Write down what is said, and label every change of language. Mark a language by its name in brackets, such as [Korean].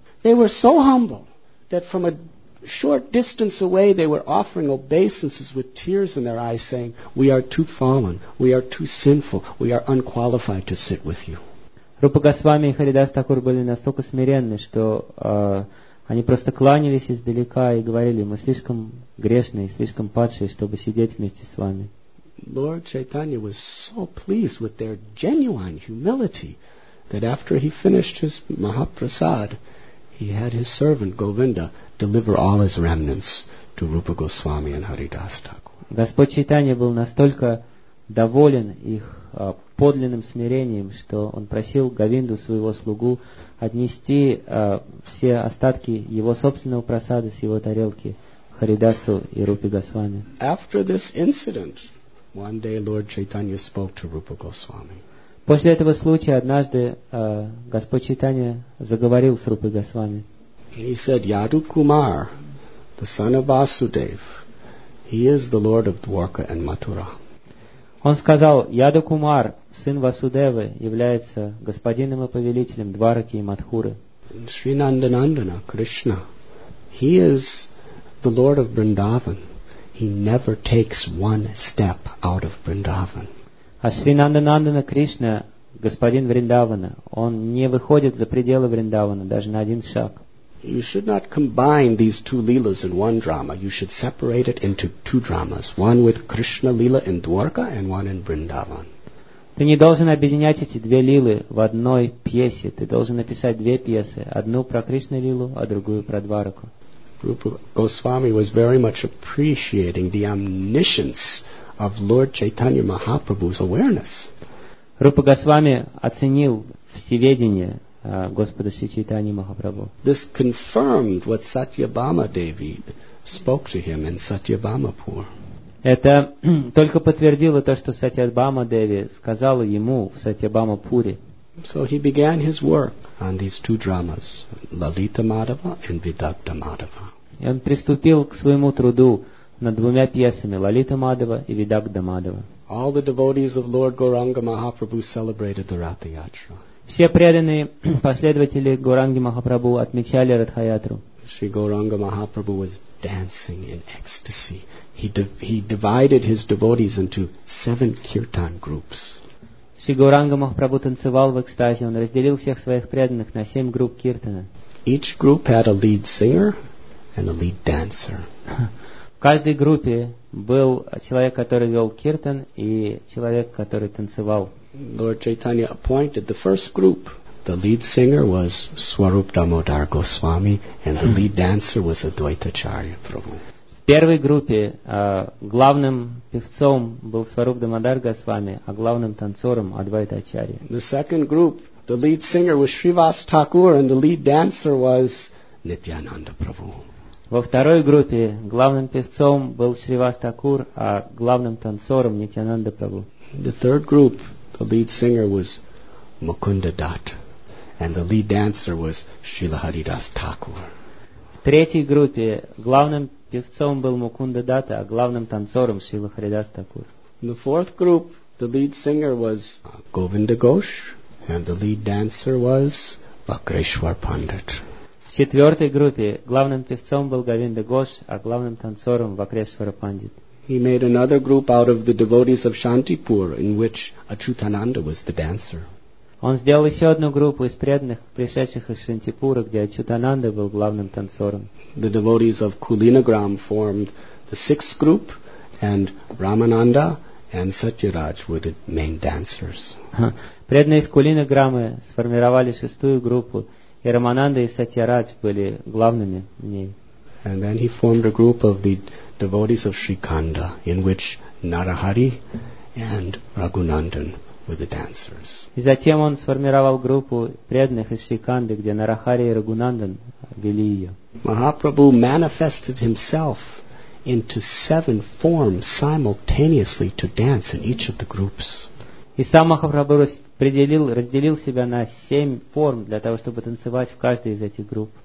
[English] They were so humble that from a short distance away they were offering obeisances with tears in their eyes, saying, we are too fallen, we are too sinful, we are unqualified to sit with you. [Russian] Рупа Госвами и Харидас Такур были настолько смиренны, что они просто кланялись издалека и говорили, мы слишком грешные, слишком падшие, чтобы сидеть вместе с вами. [English] Lord Chaitanya was so pleased with their genuine humility that after he finished his Mahaprasad, he had his servant Govinda deliver all his remnants to Rupa Goswami and Haridas Thakur. [Russian] Господь Чайтанья был настолько доволен их подлинным смирением, что он просил Говинду, своего слугу, отнести все остатки его собственного просада с его тарелки Харидасу и Рупе Госвами. [English] After this incident, one day Lord Chaitanya spoke to Rupa Goswami. [Russian] После этого случая однажды Господь Чайтанья заговорил с Рупой Госвами. [English] He said, Yadu Kumar, the son of Vasudev, he is the lord of Dwarka and Mathura. [Russian] Он сказал, Яду Кумар, сын Васудевы, является господином и повелителем Двараки и Матхуры. [English] Шри Нанда Нандана, Кришна, he is the lord of Vrindavan. He never takes one step out of Vrindavan. [Russian] А Шри Нанда Нандана, Кришна, господин Вриндавана, он не выходит за пределы Вриндавана даже на один шаг. [English] You should not combine these two leelas in one drama. You should separate it into two dramas, one with Krishna leela in Dwarka and one in Vrindavan. [Russian] Ты не должен объединять эти две лилы в одной пьесе. Ты должен написать две пьесы. Одну про Кришна лилу, а другую про Дварку. [English] Rupa Goswami was very much appreciating the omniscience of Lord Chaitanya Mahaprabhu's awareness. [Russian] Rupa Goswami оценил всеведение Господа Шри Чайтаньи Махапрабху. [English] This confirmed what Satyabhama Devi spoke to him in Satyabhamapur. [Russian] Это только подтвердило то, что Сатьябхама Деви сказала ему в Сатьябхамапуре. [English] So he began his work on these two dramas, Lalita Madhava and Vidagdha Madhava. [Russian] И он приступил к своему труду над двумя пьесами, Лалита Мадхава и Видагдха Мадхава. [English] All the devotees of Lord Gauranga Mahaprabhu celebrated the Ratha Yatra. [Russian] Все преданные последователи Гуранги Махапрабху отмечали Ратха-Ятру. [English] Shri Gauranga Mahaprabhu was dancing in ecstasy. He divided his devotees into seven kirtan groups. [Russian] Shri Gauranga Mahaprabhu танцевал в экстазе. Он разделил всех своих преданных на семь групп киртана. [English] Each group had a lead singer and a lead dancer. [Russian] В каждой группе был человек, который вел киртан, и человек, который танцевал. [English] Lord Chaitanya appointed the first group. The lead singer was Swarup Damodar Goswami, and the lead dancer was Advaitacharya Prabhu. [Russian] В первой группе главным певцом был Сваруп Дамодар Госвами, а главным танцором Адвайтачарья. [English] The second group, the lead singer was Shrivas Thakur, and the lead dancer was Nityananda Prabhu. [Russian] Во второй группе главным певцом был Шривас Такур, а главным танцором Нитьянанда Прабху. [English] The third group, the lead singer was Mukunda Dutt, and the lead dancer was Srila Haridas Thakur. [Russian] В третьей группе главным певцом был Мукунда Датта, а главным танцором Шрила Харидас Такур. [English] The fourth group, the lead singer was Govinda Ghosh, and the lead dancer was Vakreshwar Pandit. [Russian] В четвертой группе главным певцом был Говинда Гош, а главным танцором Вакрешвара Пандит. [English] He made another group out of the devotees of Shantipur, in which Achyutananda was the dancer. [Russian] Он сделал еще одну группу из преданных, пришедших из Шантипура, где Ачютананда был главным танцором. [English] The devotees of Kulinagram formed the sixth group, and Ramananda and Satyaraj were the main dancers. [Russian] Преданные из Кулинаграмы сформировали шестую группу. И Рамананда и Сатьярадж были главными в ней. [English] And then he formed a group of the devotees of Shrikanda, in which Narahari and Raghunandan were the dancers. [Russian] И затем он сформировал группу преданных из Шриканды, где Нарахари и Рагунандан вели ее. [English] Mahaprabhu manifested himself into seven forms simultaneously to dance in each of the groups. [Russian] И сам Махапрабху разделил себя на семь форм для того, чтобы танцевать в каждой из этих групп.